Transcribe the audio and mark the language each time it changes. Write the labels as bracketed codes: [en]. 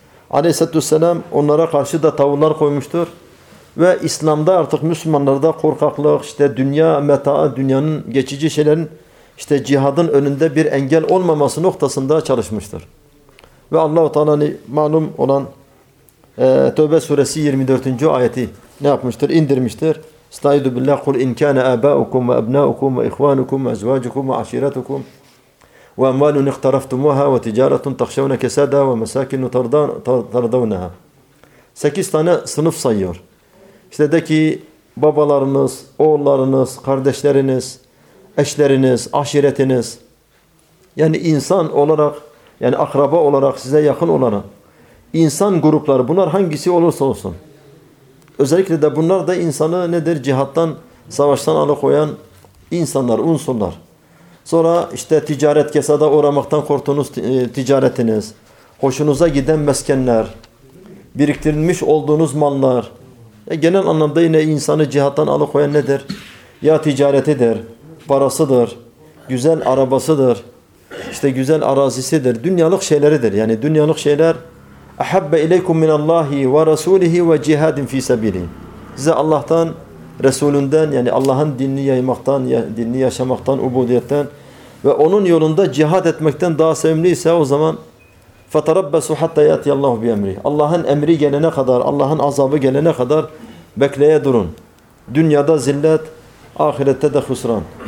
[tr] Aleyhisselatü vesselam onlara karşı da tavırlar koymuştur. Ve İslam'da artık Müslümanlarda korkaklık, işte dünya meta'a, dünyanın geçici şeylerin, işte cihadın önünde bir engel olmaması noktasında çalışmıştır. Ve Allah-u Teala'nın malum olan Tövbe suresi 24. ayeti ne yapmıştır? İndirmiştir. [ar] استعيذ بالله قل إن كان آباؤكم وأبناؤكم وإخوانكم وأزواجكم وعشيرتكم وأموال اقترفتموها وتجارة تخشون كسادها ومساكن ترضونها سكيس [tr] tane sınıf sayıyor. İşte de ki babalarınız, oğullarınız, kardeşleriniz, eşleriniz, aşiretiniz yani insan olarak yani akraba olarak size yakın olana insan grupları bunlar hangisi olursa olsun. Özellikle de bunlar da insanı nedir? Cihattan, savaştan alıkoyan insanlar, unsurlar. Sonra işte ticaret kesada uğramaktan korktuğunuz ticaretiniz, hoşunuza giden meskenler, biriktirilmiş olduğunuz mallar, genel anlamda yine insanı cihattan alıkoyan nedir? Ya ticaretidir, parasıdır, güzel arabasıdır, işte güzel arazisidir, dünyalık şeyleridir. Yani dünyalık şeyler [ar] أحب إليكم من الله ورسوله وجهاد في سبيله. [tr] Size Allah'tan, Resulünden yani Allah'ın dinini yaymaktan, dinini yaşamaktan, ubudiyetten ve onun yolunda cihad etmekten daha sevimli ise o zaman [ar] فَتَرَبَّسُ حَتَّى يَاتِيَ اللّٰهُ بِيَمْرِهِ [tr] Allah'ın emri gelene kadar, Allah'ın azabı gelene kadar bekleye durun. Dünyada zillet, ahirette de husran.